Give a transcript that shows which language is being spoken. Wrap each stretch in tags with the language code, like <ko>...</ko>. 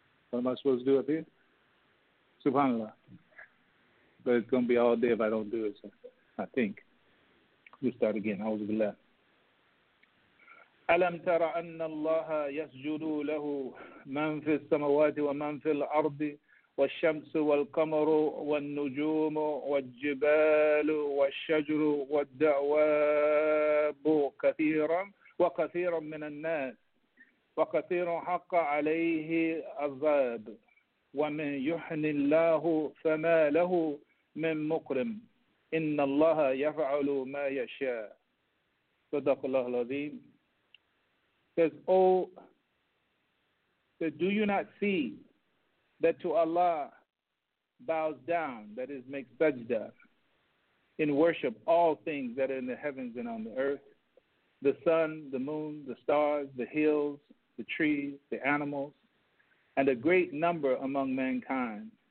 <en>What am I supposed to do up here? SubhanAllah. But it's going to be all day if I don't do it, so I think. We'll start again. I was glad.</en> <ar>أَلَمْ تَرَ أَنَّ اللَّهَ يَسْجُدُ لَهُ مَنْ فِي السَّمَوَاتِ وَمَنْ فِي الْأَرْضِ وَالشَّمْسُ وَالْقَمَرُ وَالنُّجُومُ وَالْجِبَالُ وَالشَّجْرُ وَالدَّوَابُ كَثِيرًا وَكَثِيرًا مِنَ النَّاسِ وكثير حق عليه عذاب ومن يحن الله فما له من مكرم إن الله يفعل ما يشاء صدق الله العظيم.</ar> <en>Says, says, do you not see that to Allah bows down, that is, makes sajda in worship all things that are in the heavens and on the earth, the sun, the moon, the stars, the hills, the trees, the animals, and a great number among mankind.</en>